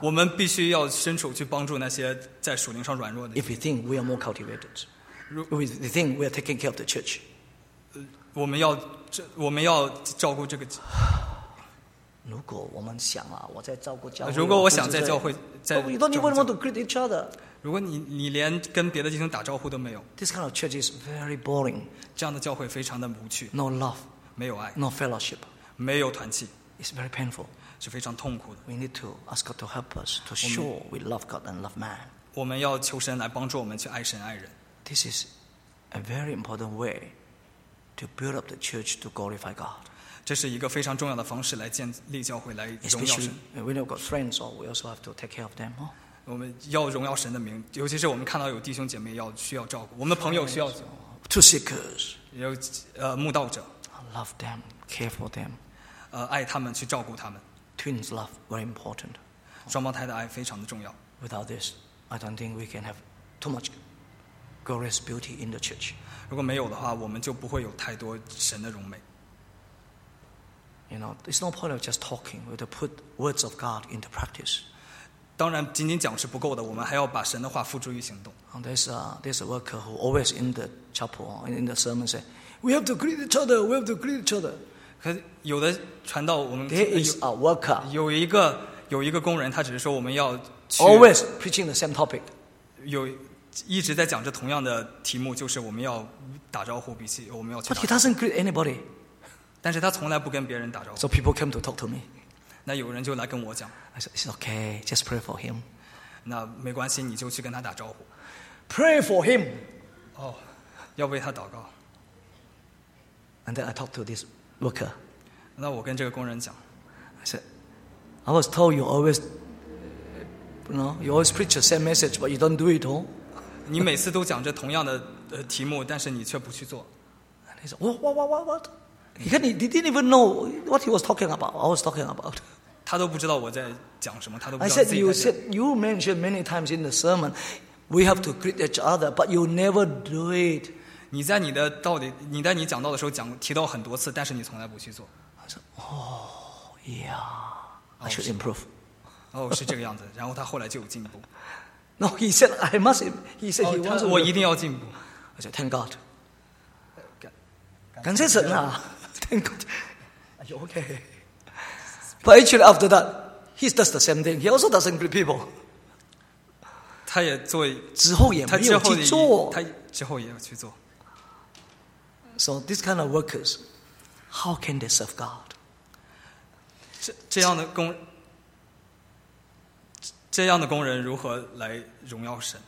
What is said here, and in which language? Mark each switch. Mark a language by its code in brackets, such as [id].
[zh] 我们必须要伸手去帮助那些在属灵上软弱的。 [en] If we think we are more cultivated, we think we are taking care of the church. [zh] 我们要照顾这个。如果我们想啊，我在照顾教会。如果我想在教会，在。 [en] You don't even want to greet each other. [zh] 如果你连跟别的弟兄打招呼都没有。 [en] This kind of church is very boring. [zh] 这样的教会非常的无趣。 [en] No love. [zh] 没有爱。 [en] No fellowship. [zh] 没有团契。 [en] It's very painful. [zh] 是非常痛苦的。 [en] We need to ask God to help us to show we love God and love man. [zh] 我们要求神来帮助我们去爱神爱人。 [en] This is a very important way to build up the church to glorify God. [zh] 这是一个非常重要的方式来建立教会，来荣耀神。 [en] We have got friends, or we also have to take care of them. [zh] 我们要荣耀神的名，尤其是我们看到有弟兄姐妹要需要照顾，我们的朋友需要。 [en] To seekers, [zh] 有慕道者。 [en] Love them, care for them. [zh] 爱他们，去照顾他们。 [en] Twins love very important. [zh] 重要。双胞胎的爱非常的重要。 [en] Without this, I don't think we can have too much glorious beauty in the church. [zh] 如果没有的话，我们就不会有太多神的荣美。 [en] You know, it's no point of just talking. We have to put words of God into practice. [zh] 当然，仅仅讲是不够的，我们还要把神的话付诸于行动。 [en] There's a worker who always in the chapel in the sermon say, "We have to greet each other. We have to greet each other." [zh] 可有的传道，我们 [en] There is a worker. [zh] 有一个工人，他只是说我们要去 [en] always preaching the same topic. [zh] 有一直在讲着同样的题目，就是我们要打招呼，比起我们要去。 [en] But he doesn't greet anybody. [zh] 但是他从来不跟别人打招呼。 [en] So people came to talk to me. [zh] 那有人就来跟我讲。 [en] I said it's okay, just pray for him. [zh] 那没关系，你就去跟他打招呼。 [en] Pray for him. [zh] 哦，要为他祷告。 [en] And then I talked to this worker. [zh] 那我跟这个工人讲。 [en] I said, I was told you always, you know, you always preach the same message, but you don't do it all. [zh] 你每次都讲着同样的题目，但是你却不去做。 [en] And he said, what? He didn't even know what he was talking about. I was talking about. [zh] 他都不知道我在讲什么，他都不知道自己在讲。 [en] I said, you mentioned many times in the sermon, we have to greet each other, but you never do it. [zh] 你在你讲道的时候提到很多次，但是你从来不去做。 [en] I said, oh, yeah, I should improve. [zh] 哦，是这个样子。然后他后来就有进步。 [en] No, he said, I must. He said he wants to improve. [zh] 我一定要进步。 [en] I said, thank God. [zh] 感谢神啊 [en] ，thank God. Are you okay? But actually, after that, he does the same thing. He also doesn't greet people. [zh] 他也做。之后也没有去做。他之后也要去做。 [en] So these kind of workers, how can they serve God? [zh] 这样的工。这样的工人如何来荣耀神？